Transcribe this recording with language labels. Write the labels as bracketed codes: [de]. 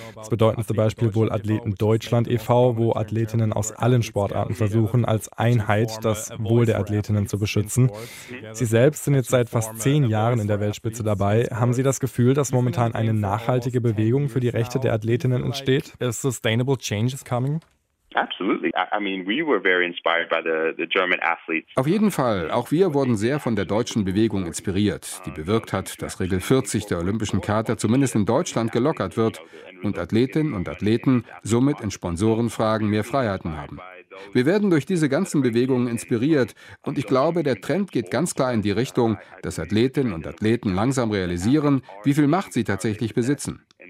[de] Das bedeuten zum Beispiel wohl Athleten Deutschland e.V., wo Athletinnen aus allen Sportarten versuchen, als Einheit das Wohl der Athletinnen zu beschützen. Sie selbst sind jetzt seit fast 10 Jahren in der Weltspitze dabei. Haben Sie das Gefühl, dass momentan eine nachhaltige Bewegung für die Rechte der Athletinnen entsteht? [en] A sustainable change is coming? Absolutely. I mean, we were very inspired by the German athletes. [de] Auf jeden Fall. Auch wir wurden sehr von der deutschen Bewegung inspiriert, die bewirkt hat, dass Regel 40 der Olympischen Charta zumindest in Deutschland gelockert wird und Athletinnen und Athleten somit in Sponsorenfragen mehr Freiheiten haben. Wir werden durch diese ganzen Bewegungen inspiriert und ich glaube, der Trend geht ganz klar in die Richtung, dass Athletinnen und Athleten langsam realisieren, wie viel Macht sie tatsächlich besitzen.